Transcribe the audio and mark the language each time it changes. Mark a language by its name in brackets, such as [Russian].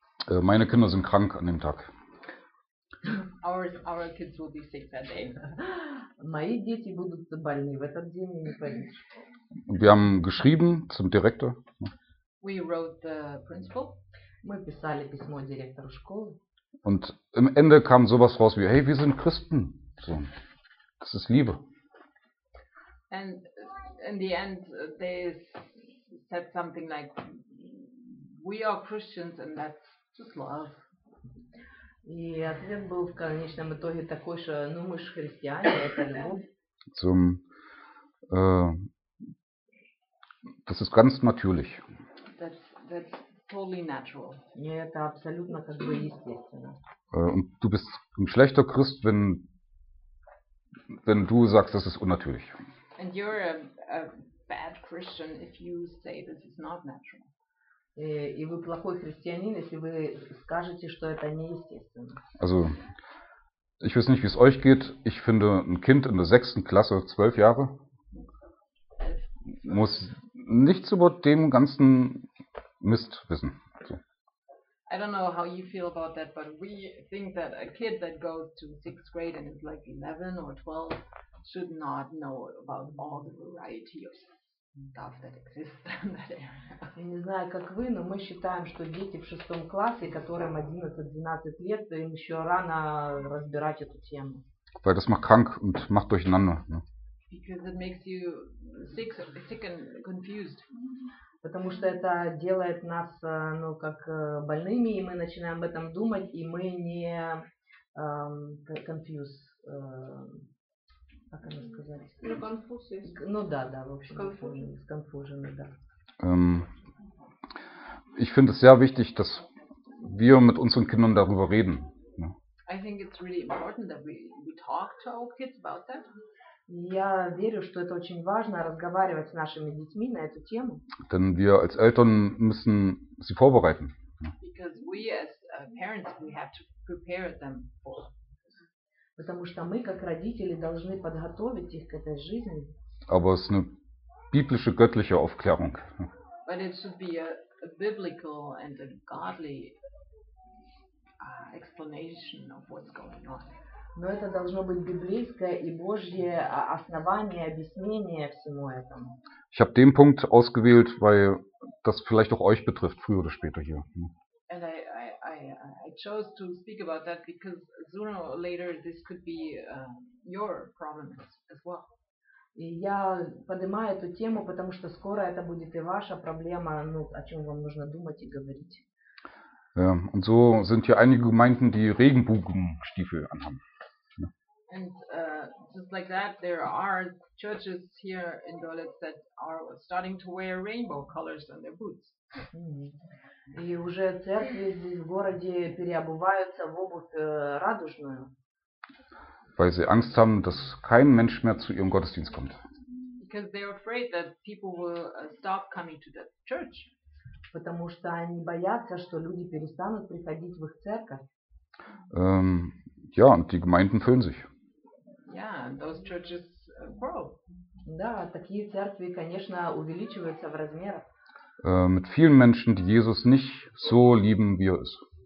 [German] Meine Kinder sind krank an dem Tag. [English] Our kids will be sick that day. [Russian] Мои дети будут больны в этот день, я не понимаю. [German] Wir haben geschrieben zum Direktor. [English] We wrote the principal. [Russian] Мы писали письмо директору школы. [German] Und am Ende kam sowas raus wie, hey, wir sind Christen. So, das ist Liebe. [English] And in the end they said something like, we are Christians and that's just love. [Russian] И ответ был в конечном итоге такой, что, ну, мы же христиане, это любовь. [German] Zum, das ist ganz natürlich. [English] That's totally natural. [Russian] Это абсолютно как бы естественно. [German] Und du bist ein schlechter Christ, wenn du sagst, das ist unnatürlich. [English] And you're a bad Christian if you say this is not natural. [Russian] И вы плохой христианин, если вы скажете, что это неестественно. [German] Also, ich weiß nicht, wie es euch geht. Ich finde, ein Kind in der 6. Klasse, 12 Jahre, muss nichts über dem ganzen Mist wissen. [English] So. I don't know how you feel about that, but we think that a kid that goes to 6th grade and is like 11 or 12 should not know about all the variety of stuff that exists in that area. [Russian] Я не знаю, как вы, но мы считаем, что дети в 6 классе, которым 11-12 лет, им еще рано разбирать эту тему. [German] Weil das macht krank und macht durcheinander. [English] Because it makes you sick and confused. [Russian] Потому что это делает нас, ну, как больными, и мы начинаем об этом думать, и мы не confused, как это сказать? [English] No, confused. [Russian] Ну да, да, в общем, confusion, да. [German] Ich finde es sehr wichtig, dass wir mit unseren Kindern darüber reden. [English] I think it's really important that we talk to our kids about that. [Russian] Я верю, что это очень важно, разговаривать с нашими детьми на эту тему. [German] Denn wir als Eltern müssen sie vorbereiten. [English] Because we as parents, we have to prepare them for. [Russian] Потому что мы, как родители, должны подготовить их к этой жизни. [German] Aber es ist eine biblische, göttliche Aufklärung. [English] But it should be a biblical and a godly explanation of what's going on. [Russian] Но это должно быть библейское и Божье основание, объяснение всему этому. [German] Ich habe den Punkt ausgewählt, weil das vielleicht auch euch betrifft, früher oder später hier. [English] And I chose to speak about that because sooner or later this could be your problem as well. [Russian] И я поднимаю эту тему, потому что скоро это будет и ваша проблема, ну, о чем вам нужно думать и говорить. [German] Ja, und so sind hier einige Gemeinden, die Regenbogenstiefel anhaben. [English] And just like that, there are churches here in Dolitz that are starting to wear rainbow colors on their boots. [Russian] И уже церкви здесь в городе переобуваются в обувь радужную. [German] Weil sie Angst haben, dass kein Mensch mehr zu ihrem Gottesdienst kommt. [English] Because they're afraid that people will stop coming to the church. [Russian] Потому что они боятся, что люди перестанут приходить в их церковь. [German] Ja, und die Gemeinden füllen sich. [English] Yeah, those churches grow. [Russian] Да, такие церкви, конечно, увеличиваются в размерах. [German] Mit vielen Menschen, die Jesus nicht so lieben, wie er ist.